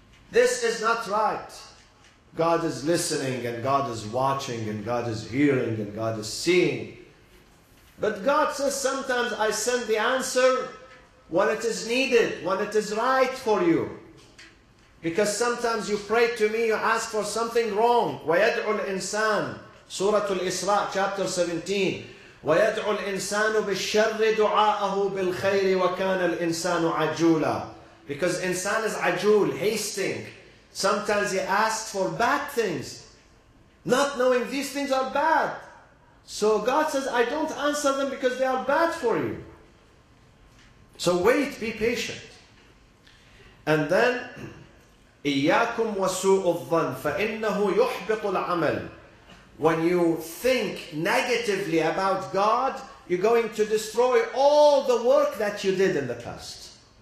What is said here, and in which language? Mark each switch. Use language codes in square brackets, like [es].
[en] This is not right. God is listening and God is watching and God is hearing and God is seeing. But God says sometimes I send the answer when it is needed, when it is right for you. Because sometimes you pray to me, you ask for something wrong. [ar] وَيَدْعُ الْإِنسَانُ Surah Al-Isra, chapter 17. وَيَدْعُ الْإِنسَانُ بِالشَّرِّ دُعَاءَهُ بِالْخَيْرِ وَكَانَ الْإِنسَانُ عَجُولًا [en] Because insan is ajul, hasting. Sometimes he asks for bad things, not knowing these things are bad. So God says, I don't answer them because they are bad for you. So wait, be patient. And then, [ar] إِيَّاكُمْ وَسُوءُ الظَّنْ فَإِنَّهُ يُحْبِطُ الْعَمَلِ [en] When you think negatively about God, you're going to destroy all the work that you did in the past.